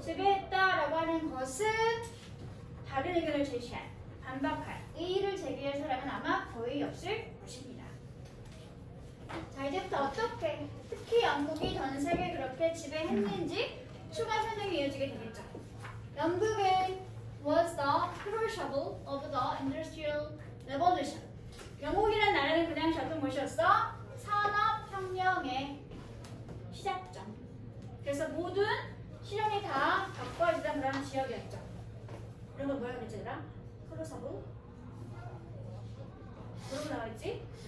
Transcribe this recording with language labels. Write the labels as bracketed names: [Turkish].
[Korean] 지배했다라고 하는 것은 다른 의견을 제시할, 반박할. 이의를 제기할 사람은 아마 거의 없을 것입니다. 자 이제부터 어떻게 특히 영국이 전 세계 그렇게 지배했는지 추가 설명이 이어지게 되겠죠. 영국은 [English] was the crucible of the industrial revolution. [Korean] 영국이란 나라는 그냥 저도 모셨어 산업혁명의 시작점. 그래서 모든 시장이 다 바꿔지던 그런 지역이었죠. 그런 건 뭐야 그랬지 얘들아? 크루셔블? 뭐라고 나와있지?